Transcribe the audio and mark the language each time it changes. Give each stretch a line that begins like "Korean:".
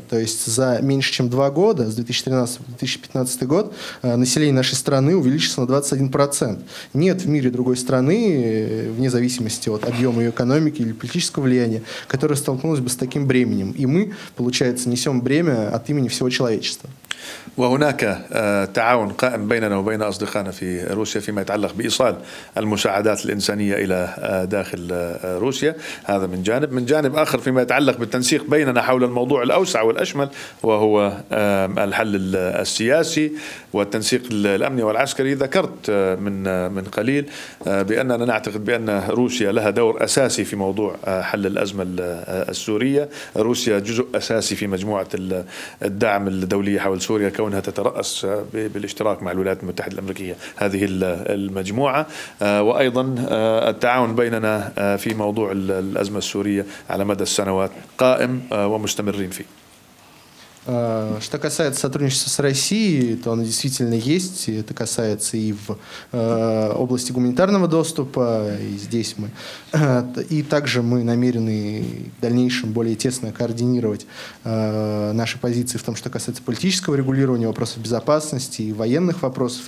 Russian: То есть за меньше чем два года, с 2013 по 2015 год, население нашей страны увеличится на 21%. Нет в мире другой страны, вне зависимости от объема ее экономики или политического влияния, которая столкнулась бы с таким бременем. И мы, получается, несем бремя от имени всего человечества.
Arabic: وهناك تعاون قائم بيننا وبين أصدقائنا في روسيا فيما يتعلق بإيصال المساعدات الإنسانية إلى داخل روسيا، هذا من جانب. من جانب آخر فيما يتعلق بالتنسيق بيننا حول الموضوع الأوسع والأشمل، وهو الحل السياسي والتنسيق الأمني والعسكري. ذكرت من قليل بأننا نعتقد بأن روسيا لها دور أساسي في موضوع حل الأزمة السورية. روسيا جزء أساسي في مجموعة الدعم الدولية حول سوريا، كونها تترأس بالاشتراك مع الولايات المتحدة الأمريكية هذه المجموعة، وأيضا التعاون بيننا في موضوع الأزمة السورية على مدى السنوات قائم ومستمرين فيه.
Russian: Что касается сотрудничества с Россией, то оно действительно есть. Это касается и в области гуманитарного доступа, и здесь мы. И также мы намерены в дальнейшем более тесно координировать наши позиции в том, что касается политического регулирования, вопросов безопасности и военных вопросов.